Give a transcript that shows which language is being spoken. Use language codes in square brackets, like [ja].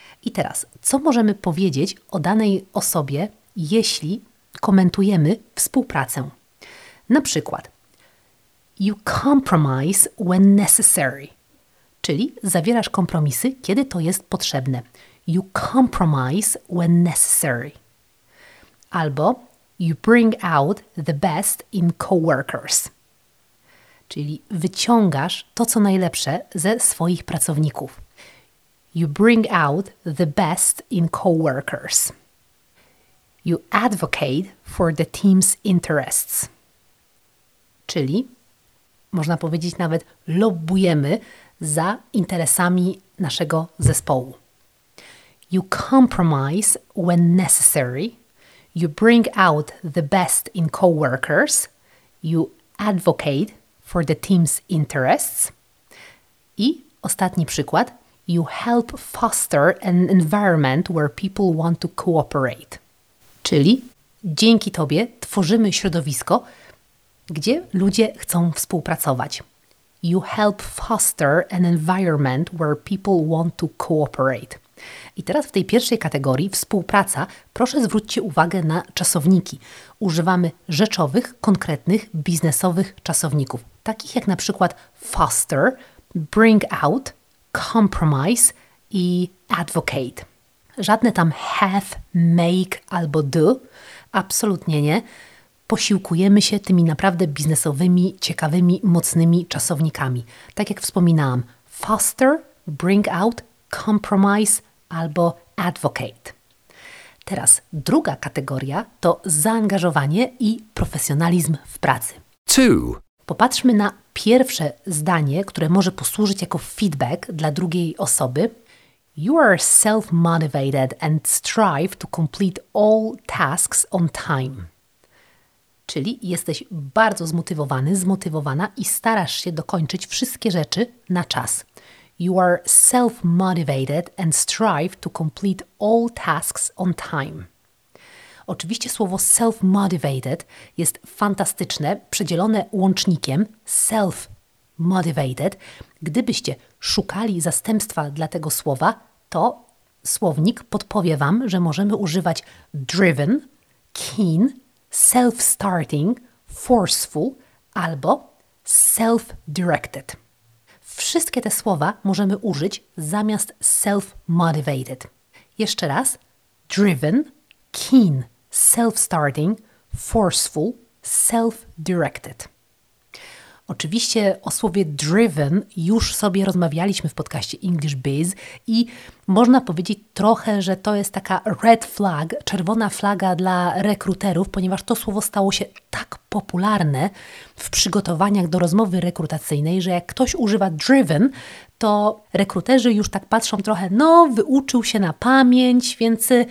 [pl] I teraz, co możemy powiedzieć o danej osobie, jeśli komentujemy współpracę? Na przykład, [en] you compromise when necessary. [pl] Czyli zawierasz kompromisy, kiedy to jest potrzebne. [en] You compromise when necessary. [pl] Albo [en] you bring out the best in coworkers. [pl] Czyli wyciągasz to, co najlepsze ze swoich pracowników. [en] You bring out the best in coworkers. You advocate for the team's interests. [pl] Czyli można powiedzieć nawet lobbujemy za interesami naszego zespołu. [en] You compromise when necessary. You bring out the best in coworkers. You advocate for the team's interests. [pl] I ostatni przykład. [en] You help foster an environment where people want to cooperate. [pl] Czyli dzięki Tobie tworzymy środowisko, gdzie ludzie chcą współpracować. [en] You help foster an environment where people want to cooperate. [pl] I teraz w tej pierwszej kategorii współpraca, proszę zwróćcie uwagę na czasowniki. Używamy rzeczowych, konkretnych, biznesowych czasowników. Takich jak na przykład foster, bring out, compromise i advocate. Żadne tam have, make albo do. Absolutnie nie. Posiłkujemy się tymi naprawdę biznesowymi, ciekawymi, mocnymi czasownikami. Tak jak wspominałam, foster, bring out, compromise albo advocate. Teraz druga kategoria to zaangażowanie i profesjonalizm w pracy. [en] Two. [pl] Popatrzmy na pierwsze zdanie, które może posłużyć jako feedback dla drugiej osoby. [en] You are self-motivated and strive to complete all tasks on time. [pl] Czyli jesteś bardzo zmotywowany, zmotywowana i starasz się dokończyć wszystkie rzeczy na czas. [en] You are self-motivated and strive to complete all tasks on time. [pl] Oczywiście słowo self-motivated jest fantastyczne, przedzielone łącznikiem self-motivated. Gdybyście szukali zastępstwa dla tego słowa, to słownik podpowie Wam, że możemy używać driven, keen, self-starting, forceful albo self-directed. Wszystkie te słowa możemy użyć zamiast self-motivated. Jeszcze raz. Driven, keen, self-starting, forceful, self-directed. Oczywiście o słowie driven już sobie rozmawialiśmy w podcaście English Biz i można powiedzieć trochę, że to jest taka red flag, czerwona flaga dla rekruterów, ponieważ to słowo stało się tak popularne w przygotowaniach do rozmowy rekrutacyjnej, że jak ktoś używa driven, to rekruterzy już tak patrzą trochę, no wyuczył się na pamięć, więc